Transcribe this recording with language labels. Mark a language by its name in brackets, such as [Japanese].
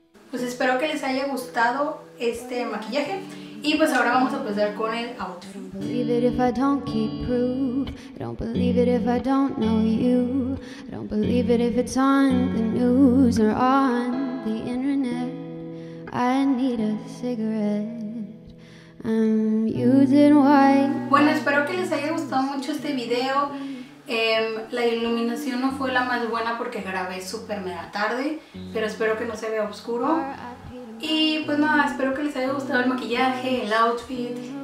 [Spanish] Pues espero que les haya gustado este maquillaje. Y pues ahora vamos a empezar con el outfit. [English] Don't believe it if I don't keep proof. Don't believe it if I don't know you. Don't believe it if it's on the news or on the internet. I need a cigarette. I'm using white. [Spanish] Bueno, espero que les haya gustado mucho este video. La iluminación no fue la más buena porque grabé súper mega tarde. Pero espero que no se vea oscuro. Y pues nada, espero que les haya gustado el maquillaje, el outfit.